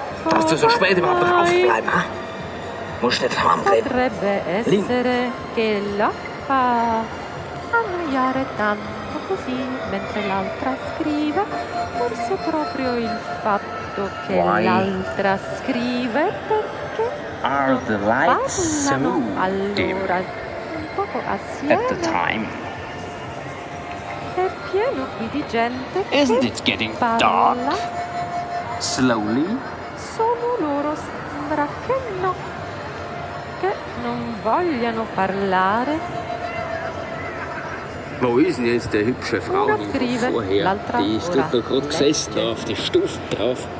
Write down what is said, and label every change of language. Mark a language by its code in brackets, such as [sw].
[de] Darfst du so spät überhaupt noch aufbleiben, ha? Musst nicht warm reden. [it] Potrebbe essere che la fa annoiare tanto così, mentre l'altra scrive, forse proprio il fatto che l'altra scrive, perché [en] are the lights so dim at the time? [it] È pieno qui di gente. [en] Isn't it getting dark? Slowly? [it] Solo loro sembra che no, che non vogliano parlare. [de] Wo ist denn jetzt der hübsche Frau, die vorher, die ist doch gerade gesessen da auf die Stufe drauf.